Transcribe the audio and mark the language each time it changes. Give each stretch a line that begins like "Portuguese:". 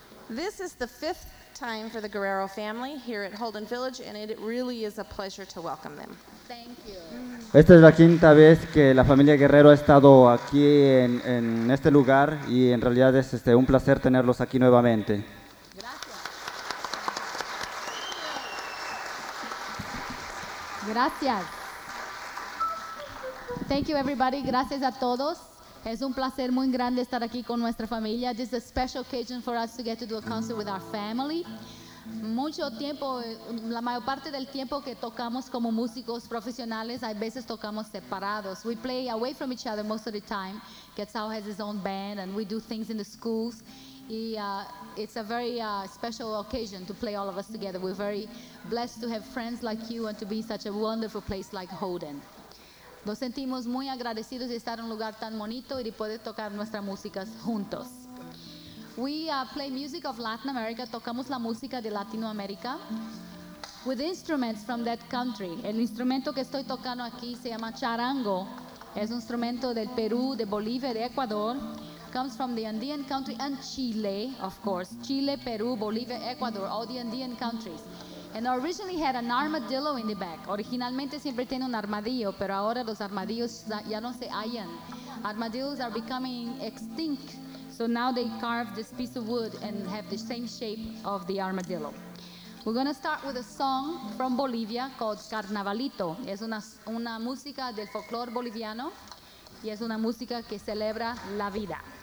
English: This is the 5th time for the Guerrero family here at Holden Village, and it really is a pleasure to welcome them. Thank you.
Spanish: Esta es la quinta vez que la familia Guerrero ha estado aquí en este lugar, y en realidad es un placer tenerlos aquí nuevamente. Gracias.
English: Thank you, everybody.
Spanish: Gracias a todos. Es un placer muy grande estar aquí con nuestra familia.
English: This is a special occasion for us to get to do a concert with our family.
Spanish: Mucho tiempo, la mayor parte del tiempo que tocamos como músicos profesionales, a veces tocamos separados.
English: We play away from each other most of the time. Quetzal has his own band, and we do things in the schools. It's a very special occasion to play all of us together. We're very blessed to have friends like you and to be in such a wonderful place like Holden.
Spanish: Nos sentimos muy agradecidos de estar en un lugar tan bonito y de poder tocar nuestras músicas juntos.
English: We play music of Latin America,
Spanish: tocamos la música de Latinoamérica
English: with instruments from that country.
Spanish: El instrumento que estoy tocando aquí se llama charango. Es un instrumento del Perú, de Bolivia, de Ecuador.
English: Comes from the Andean country and Chile, of course. Chile, Perú, Bolivia, Ecuador, all the Andean countries. And originally had an armadillo in the back.
Spanish: Originalmente siempre tiene un armadillo, pero ahora los armadillos ya no se hallan.
English: Armadillos are becoming extinct, so now they carve this piece of wood and have the same shape of the armadillo. We're going to start with a song from Bolivia called Carnavalito.
Spanish: Es una música del folclore boliviano y es una música que celebra la vida.